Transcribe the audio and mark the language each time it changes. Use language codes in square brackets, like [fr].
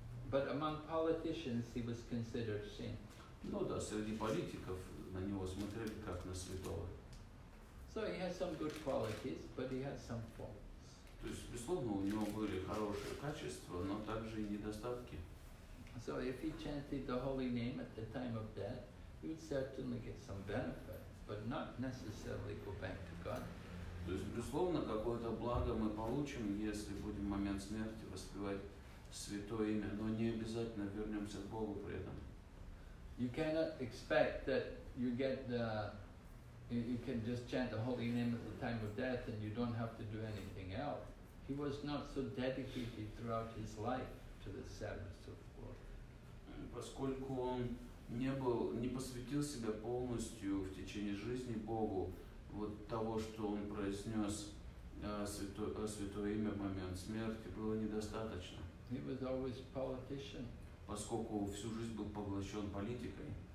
[en] But among politicians, he was considered saint. [ru] Ну да, среди политиков на него смотрели как на святого. [en] So he has some good qualities, but he has some faults. [ru] То есть, безусловно, у него были хорошие качества, но также и недостатки. [en] So if he chanted the holy name at the time of death, he would certainly get some benefit, but not necessarily go back to God. [ru] То есть, безусловно, какое-то благо мы получим, если будем в момент смерти воспевать святое имя, но не обязательно вернемся к Богу при этом. [en] You cannot expect that you get the, you can just chant the holy name at the time of death and you don't have to do anything else. He was not so dedicated throughout his life to the service of God. [ru] Поскольку он не посвятил себя полностью в течение жизни Богу, вот того, что он произнес святое имя в момент смерти, было недостаточно. [en] He was always a politician. [ru] Поскольку всю жизнь был поглощен политикой.